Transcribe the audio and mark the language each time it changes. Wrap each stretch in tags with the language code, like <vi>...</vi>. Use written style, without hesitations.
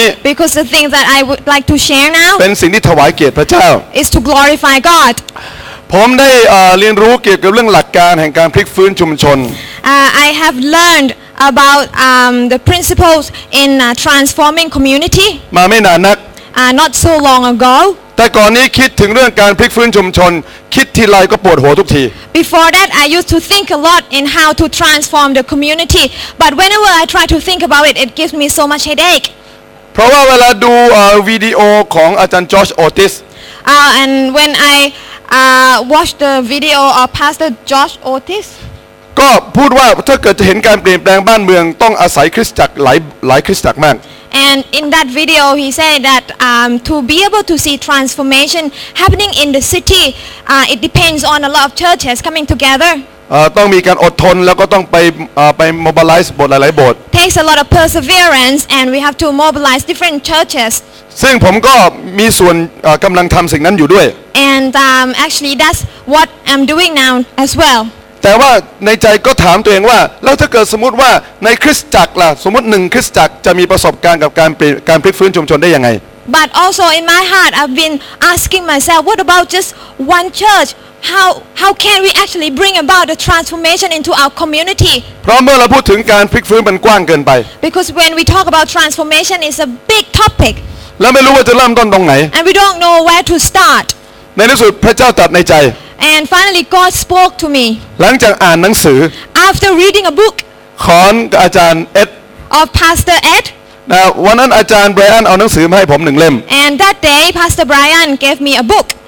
<en>Because the thing that I would like to share now,</en> <th>เป็นสิ่งที่ถวายเกียรติพระเจ้า</th> <en>is to glorify God.</en> <th>ผมได้เรียนรู้เกี่ยวกับเรื่องหลักการแห่งการพลิกฟื้นชุมชน</th> <en>I have learned. About the principles in transforming community.</en> <th>มาไม่นานนัก</th> <en>Not so long ago.</en> <th>แต่ก่อนนี้คิดถึงเรื่องการพลิกฟื้นชุมชนคิดทีไรก็ปวดหัวทุกที</th> <en>Before that, I used to think a lot in how to transform the community. But whenever I try to think about it, it gives me so much headache.</en> <th>เพราะว่าเวลาดูวิดีโอของอาจารย์จอร์จออติส</th> <en>And when I watched the video of Pastor George Otis.</en> <th>ก็พูดว่าถ้าเกิดจะเห็นการเปลี่ยนแปลงบ้านเมืองต้องอาศัยคริสตจักรหลายคริสตจักรมาก</th> <en>And in that video he said that to be able to see transformation happening in the city it depends on a lot of churches coming together</en> <th>ต้องมีการอดทนแล้วก็ต้องไป mobilize โบสถ์หลายๆโบสถ์</th> <en>takes a lot of perseverance and we have to mobilize different churches</en> <th>ซึ่งผมก็มีส่วนกำลังทำสิ่งนั้นอยู่ด้วย</th> <en>And actually that's what I'm doing now as well</en> <th>แต่ว่าในใจก็ถามตัวเองว่าแล้วถ้าเกิดสมมติว่าในคริสตจักรล่ะสมมติหนึ่งคริสตจักรจะมีประสบการณ์กับการพลิกฟื้นชุมชนได้ยังไง</th> <en>But also in my heart I've been asking myself what about just one church how can we actually bring about the transformation into our community</en> <th>เพราะเมื่อเราพูดถึงการพลิกฟื้นมันกว้างเกินไป</th> <en>Because when we talk about transformation it's a big topic</en> <th>แล้วไม่รู้ว่าจะเริ่มต้นตรงไหน</th> <en>And we don't know where to start</en> <th>ในที่สุดพระเจ้าตรัสในใจ</th> <en>And finally, God spoke to me.</en> <th>หลังจากอ่านหนังสือ</th> <en>After reading a book,</en> <th>ของอาจารย์เอ็ด</th> <en>of Pastor Ed</en> <th>Now วันนั้นอาจารย์ Brian เอาหนังสือมาให้ผม1เล่ม</th> <en>And that day Pastor Brian gave me a book</en>